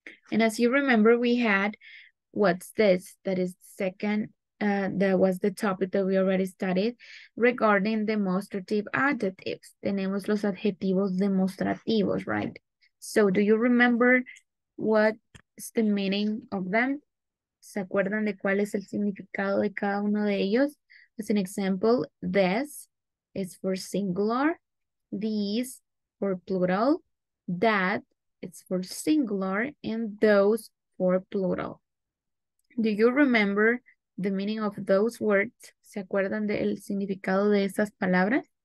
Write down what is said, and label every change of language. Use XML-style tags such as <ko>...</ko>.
<en>And as you remember, we had what's this? That is the second, that was the topic that we already studied regarding demonstrative adjectives.</en> <es>Tenemos los adjetivos demostrativos,</es> <en>right? So do you remember what's the meaning of them?</en> <es>¿Se acuerdan de cuál es el significado de cada uno de ellos?</es> <en>As an example, this is for singular, these for plural, that is for singular, and those for plural. Do you remember the meaning of those words?</en> <es>¿Se acuerdan del significado de esas palabras?</es>